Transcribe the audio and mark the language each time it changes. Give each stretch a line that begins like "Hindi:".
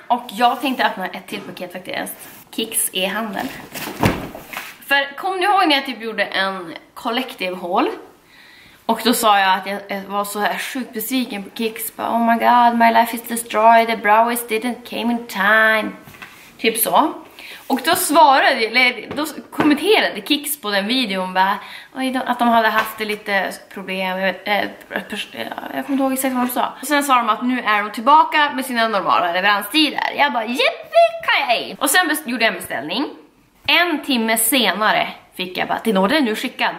Swedish: Jag tänkte öppna ett till paket faktiskt. Kicks e-handel. För kom ni ihåg när jag typ gjorde en collective haul? Och då sa jag att jag var så här sjukt besviken på Kicks. Bara,
English: oh my god, my life is destroyed. The browse didn't came in time.
Swedish: Typ så. Och då svarade, eller då kommenterade Kix på den videon bara, att de hade haft lite problem, jag kommer inte ihåg exakt vad de sa. Och sen sa de att nu är de tillbaka med sina normala leveranstider. Jag bara, yippee-ki-yay! Och sen gjorde jag en beställning. En timme senare fick jag bara, din order är nu skickad.